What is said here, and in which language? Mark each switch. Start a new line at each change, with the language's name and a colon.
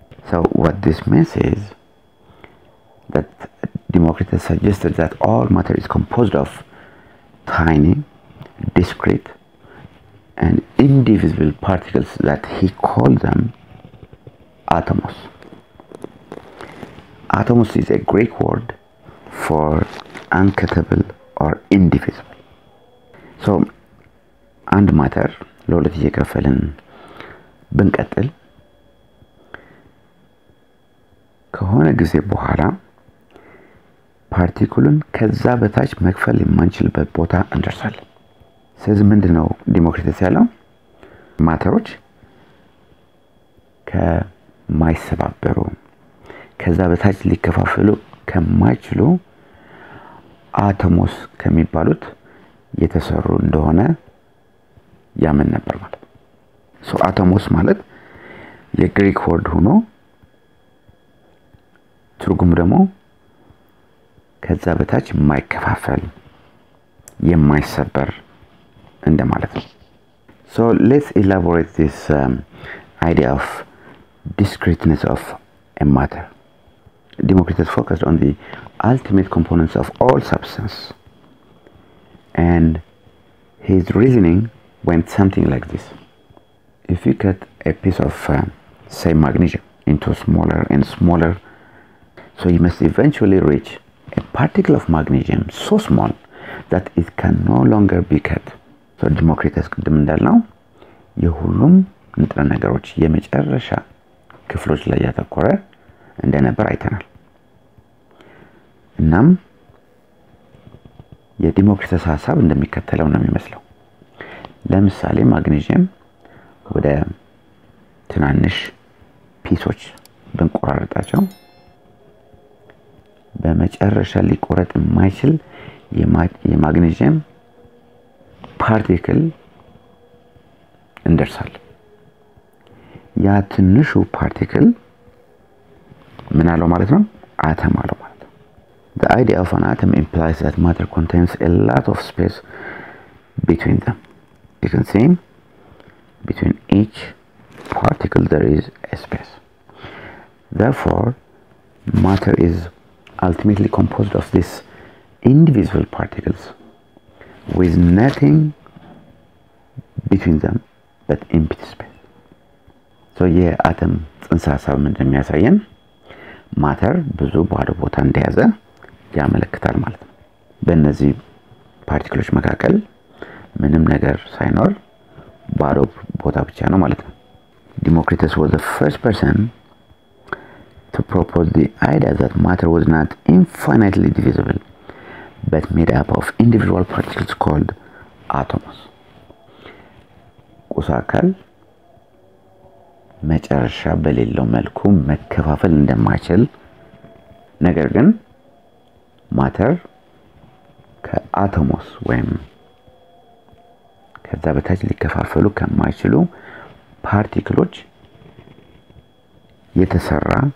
English: So what this means is that Democritus suggested that all matter is composed of tiny, discrete, and indivisible particles that he called them atomos. Atomos is a Greek word for uncuttable or indivisible. So and matter
Amharic: ለሁለት እየከፈልን ብንቀጥል ከሆነ ጊዜ በኋላ ፓርቲክሉን ከዛ በታች መክፈል የማንችልበት ቦታ እንደርሳለን። ስለዚህ ምንድነው ዲሞክሪተስ ያለው? ማተሮች ከማይሰባበሩ ከዛ በታች ሊከፋፈሉ ከማይችሉ አቶሞስ ከሚባሉት የተሰሩ እንደሆነ ያመን ነበር ማለት ነው። ሶ አቶሞስ ማለት የግሪክ ወርድ ሆኖ ትርጉሙ ደግሞ ከዛ በታች የማይከፋፈል የማይሰበር እንደማለት ነው። ሶ
English: let's elaborate this idea of discreteness of a matter. Democritus focused on the ultimate components of all substance and his reasoning went something like this. If you cut a piece of say magnesium into smaller and smaller, so you must eventually reach a particle of magnesium so small that it can no longer be cut.
Amharic: So Democritus ቅድም እንዳልነው የሁሉም ንጥረ ነገሮች የመጨረሻ ክፍሎች ላይ ያተኮረ እንደነበር አይተናል። እናም የዲሞክሪተስ ሐሳብ እንደሚከተለው ነው የሚመስለው። ለምሳሌ ማግኔዥየም ወደ ትናንሽ ፒሶች ብንቆራርጣቸው በመጨረሻ ሊቆረጥ የማይችል የማግኔዥየም ፓርቲክል እንደርሳለን። ያ ትንሹ ፓርቲክል ምን አለው ማለት ነው? አተም አለው ማለት ነው።
English: The idea of an atom implies that matter contains a lot of space between them. You can see between each particle there is a space. Therefore, matter is ultimately composed of these indivisible particles with nothing between them but empty space.
Amharic: So yeah, atom ጽንሰ ሐሳብ እንደሚያሳየን matter ብዙ ባዶ ቦታ እንደያዘ ያመለክታል ማለት ነው። በእነዚህ particles መካከል ምንም ነገር ሳይኖር ባዶ ቦታ ብቻ ነው ማለት ነው።
English: Democritus was the first person to propose the idea that matter was not infinitely divisible but made up of individual particles called atoms.
Amharic: ቁስ አካል መጨረሻ በሌለው መልኩ መከፋፈል እንደማይችል ነገር ግን matter ከአቶሞስ ወይም ከዛ በታች ሊከፋፈሉ ከማይችሉ ፓርቲክሎች የተሰራ